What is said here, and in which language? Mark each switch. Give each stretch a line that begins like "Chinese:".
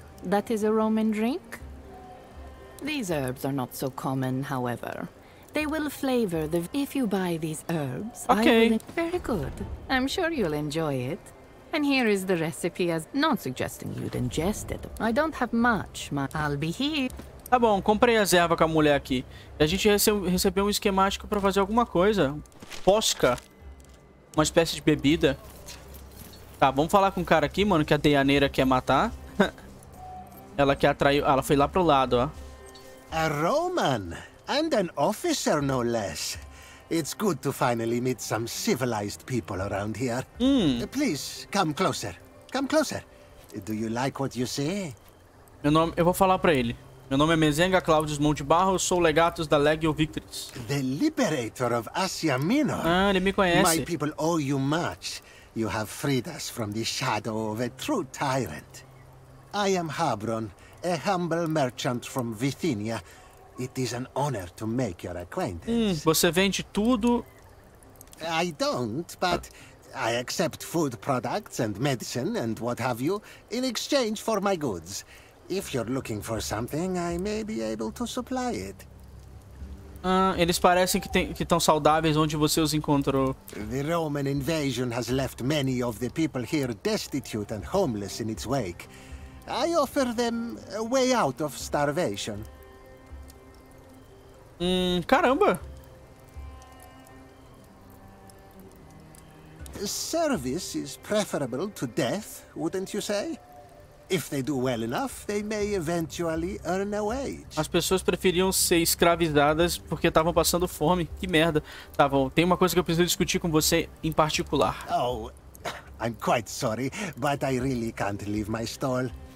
English: That is a Roman drink. These herbs are not so common, however. They will flavor the if you buy these herbs. Okay. Very good. I'm sure you'll enjoy it. And here is the recipe as not suggesting you'd ingest it. I don't have much, but I'll be here.
Portuguese: Tá bom, comprei as ervas com a mulher aqui. E a gente recebeu um esquemático pra fazer alguma coisa. Posca. Uma espécie de bebida. Tá, vamos falar com o cara aqui, mano, que a Deianeira quer matar. Ela quer atrair... Ah, ela foi lá pro lado, ó.
English: A Roman. And an officer, no less. It's good to finally meet some civilized people around here. Please, come closer. Come closer. Do you like what you see?
Portuguese: Meu nome... Eu vou falar pra ele. Meu nome é Mezenga Claudius Montebarro. Sou legatus da Legio Victrix.
English: The liberator of Asia Minor.
Portuguese: Ah, ele me conhece.
English: My people owe you much. You have freed us from the shadow of a true tyrant. I am Habron, a humble merchant from Vithinia. It is an honor to make your acquaintance.
Portuguese: Você vende tudo?
English: I don't, but I accept food products and medicine and what have you in exchange for my goods. If you're looking for something, I may be able to supply it.
Portuguese: Ah, eles parecem que estão saudáveis onde você os encontrou.
English: The Roman invasion has left many of the people here destitute and homeless in its wake. I offer them a way out of starvation.
Portuguese: Caramba.
English: Service is preferable to death, wouldn't you say? If they do well enough, they may eventually earn a wage.
Portuguese: As pessoas preferiam ser escravizadas porque estavam passando fome. Que merda. Tá bom, tem uma coisa que eu preciso discutir com você em particular.
English: Oh, I'm quite sorry, but I really can't leave my stall.